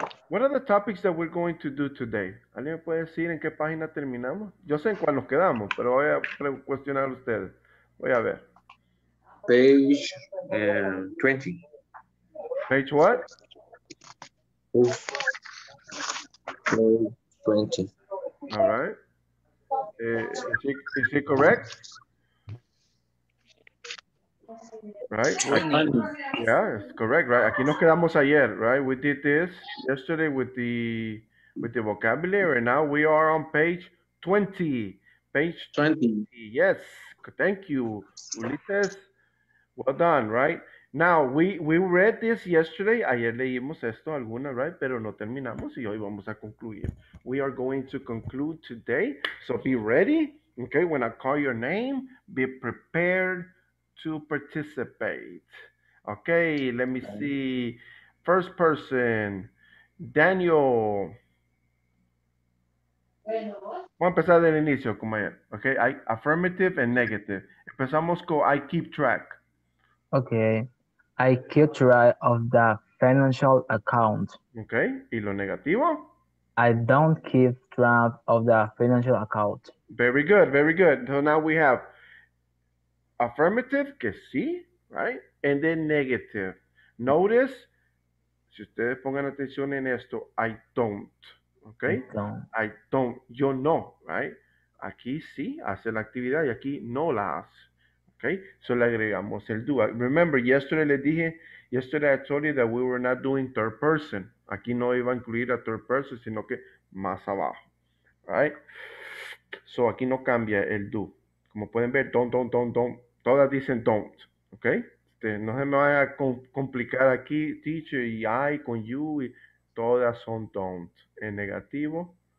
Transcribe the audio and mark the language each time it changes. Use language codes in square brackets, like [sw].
[en] What are the topics that we're going to do today? [es] ¿Alguien me puede decir en qué página terminamos? Yo sé en cuál nos quedamos, pero voy a cuestionar a ustedes. Voy a ver. [en] Page 20. Page what? Page 20. All right. Is it correct? Right? Yeah, it's correct, right? [es] Aquí nos quedamos ayer, [en] right? We did this yesterday with the vocabulary, and now we are on page 20. Page 20. Yes. Thank you, Ulises. Well done, right? Now, we read this yesterday. [es] Ayer leímos esto alguna, [en] right? [es] Pero no terminamos y hoy vamos a concluir. [en] We are going to conclude today. So be ready, okay? When I call your name, be prepared to participate. Okay, let me see. First person, Daniel. [es] Vamos a empezar del inicio, compañero. Okay, [en] affirmative and negative. [es] Empezamos con [en] I keep track. Okay. I keep track of the financial account. [es] Okay. ¿Y lo negativo? [en] I don't keep track of the financial account. Very good. Very good. So now we have affirmative, [es] que sí, [en] right? And then negative. Notice, [es] si ustedes pongan atención en esto, [en] I don't. Okay? I don't. [es] Yo no, right? Aquí sí hace la actividad y aquí no la hace. Okay, so le agregamos el do. [en] Remember, yesterday I told you that we were not doing third person. [es] Aquí no iba a incluir a third person, sino que más abajo. Right? So aquí no cambia el do. Como pueden ver, don't. Todas dicen don't. Okay? No se me vaya a complicar aquí, teacher, y I con you. Y todas son don't. En negativo.